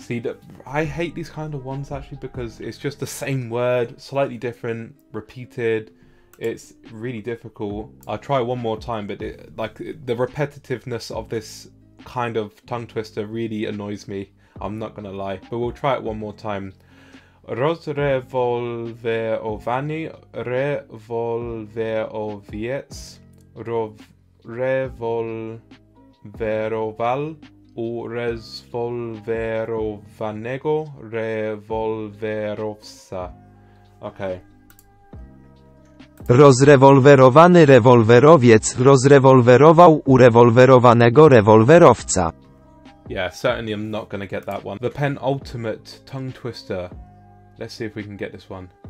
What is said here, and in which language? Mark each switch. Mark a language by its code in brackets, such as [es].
[en] See, I hate these kind of ones actually because it's just the same word, slightly different, repeated. It's really difficult. I'll try one more time, but the repetitiveness of this kind of tongue twister really annoys me. I'm not gonna lie, but we'll try it one more time. [pl] Rozrewolwerowany, rewolwerowiec, rewolwerował, urewolwerowanego, rewolwerowca. [en] Okay. [pl] Rozrewolwerowany rewolwerowiec rozrewolwerował urewolwerowanego rewolwerowca. [en] Yeah, certainly I'm not gonna get that one. The penultimate tongue twister. Let's see if we can get this one.